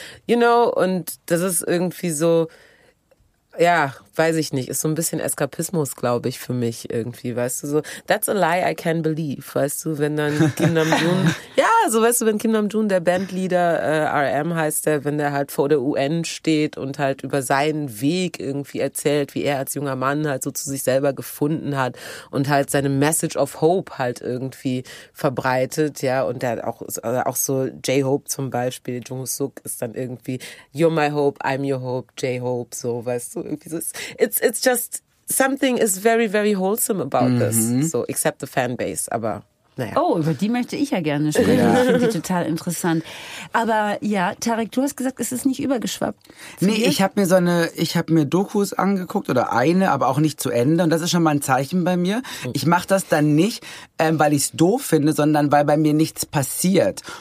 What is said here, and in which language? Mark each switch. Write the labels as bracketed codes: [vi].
[en] You know, [de] und das ist irgendwie so, ja, weiß ich nicht, ist so ein bisschen Eskapismus, glaube ich, für mich irgendwie, weißt du, so, [en] that's a lie I can believe, [de] weißt du, wenn dann Kim Namjoon, ja, so, weißt du, wenn Kim Namjoon, der Bandleader, RM heißt der, wenn der halt vor der UN steht und halt über seinen Weg irgendwie erzählt, wie er als junger Mann halt so zu sich selber gefunden hat und halt seine Message of Hope halt irgendwie verbreitet, ja, und der hat auch so J-Hope zum Beispiel, Jungsuk ist dann irgendwie, [en] you're my hope, I'm your hope, [de] J-Hope, so, weißt du, irgendwie so, [en] It's just something is very, very wholesome about this. So, except the fanbase, [de] aber naja. Oh, über die möchte ich ja gerne sprechen. Ja. Ich finde die total interessant. Aber ja, Tarek, du hast gesagt, es ist nicht übergeschwappt. Nee, ich habe mir so eine, ich habe mir Dokus angeguckt oder eine, aber auch nicht zu Ende. Und das ist schon mal ein Zeichen bei mir. Ich mache das dann nicht, weil ich es doof finde, sondern weil bei mir nichts passiert.